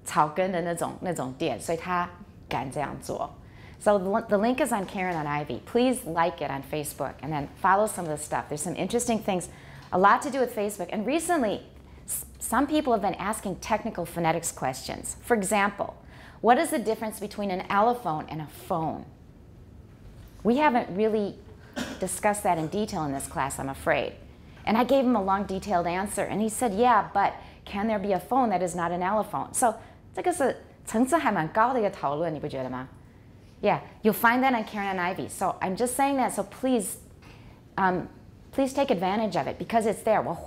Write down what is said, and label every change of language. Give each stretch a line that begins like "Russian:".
Chinese: 很平价，就是非常的草根的那种店，所以他敢这样做.
English: So the link is on Karen on Ivy. Please like it on Facebook and then follow some of the stuff. There's some interesting things, a lot to do with Facebook. And recently, some people have been asking technical phonetics questions. For example, what is the difference between an allophone and a phone? We haven't really discussed that in detail in this class, I'm afraid. And I gave him a long detailed answer and he said, yeah, but can there be a phone that is not an allophone?
Chinese: So 这个是层次还蛮高的一个讨论，你不觉得吗？
English: Yeah, you'll find that on Karen and Ivy. So I'm just saying that, so please, please take advantage of it because it's there.